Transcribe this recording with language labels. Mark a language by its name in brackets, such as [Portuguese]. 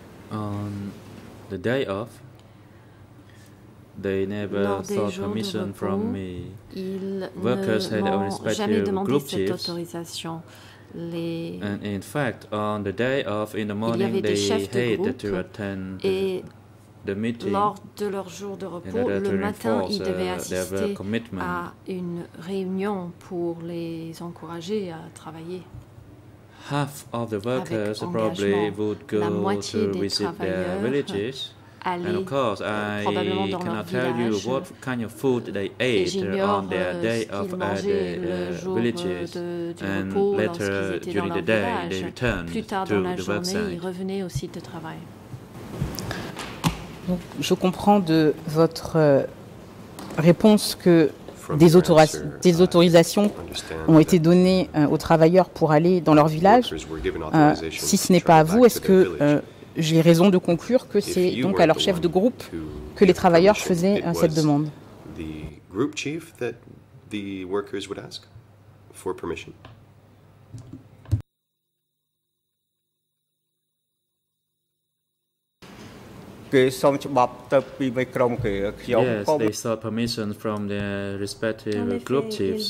[English] On the day of, they never sought permission from me. Workers had a respective group chiefs. And in fact, on the day of, in the morning, they had to attend the meeting. [French] Lors de leur jour de repos, le matin, ils devaient assister à une réunion pour les encourager à travailler. [English] Half of the workers probably would go to visit their villages. And of course, I cannot tell you what kind of food they ate on their day off at the villages, and later during the day they returned to the worksite. [French] Je comprends de votre réponse que des autorisations ont été données aux travailleurs pour aller dans leur village. Si ce n'est pas à vous, est-ce que j'ai raison de conclure que c'est donc à leur chef de groupe que les travailleurs faisaient cette demande. [English] The group chief that the workers would ask for permission. Yes, they sought permission from their respective group chiefs.